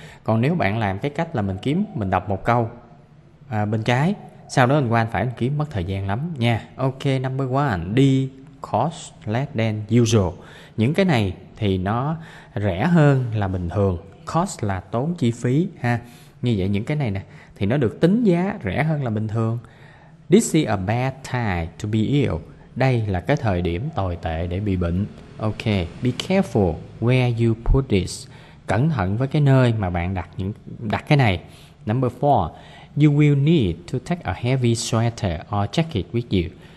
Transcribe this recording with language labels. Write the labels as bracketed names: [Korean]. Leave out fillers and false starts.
[Vietnamese] Còn nếu bạn làm cái cách là mình kiếm, mình đọc một câu bên trái, sau đó mình qua bên phải mình kiếm, mất thời gian lắm nha. [English] Ok, number 1, đi cost less than usual. [Vietnamese] Những cái này thì nó rẻ hơn là bình thường. Cost là tốn chi phí ha. Như vậy những cái này nè thì nó được tính giá rẻ hơn là bình thường. [English] This is a bad time to be ill. [Vietnamese] Đây là cái thời điểm tồi tệ để bị bệnh. Ok, [English] be careful where you put this. [Vietnamese] Cẩn thận với cái nơi mà bạn đặt cái này. [English] Number 4, you will need to take a heavy sweater or jacket with you.